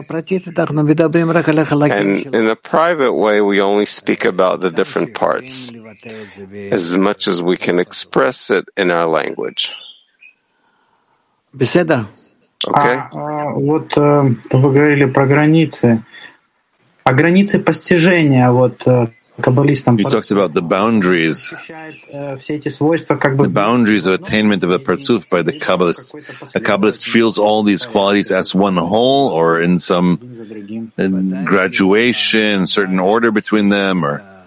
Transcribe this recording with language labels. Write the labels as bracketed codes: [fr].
[en] And in a private way, we only speak about the different parts as much as we can express it in our language. Okay? [ru] Вот вы говорили про границы. А границы постижения, вот... [en] You talked about the boundaries, the boundaries of attainment of a Partzuf by the Kabbalist. A Kabbalist feels all these qualities as one whole or in some graduation, certain order between them, or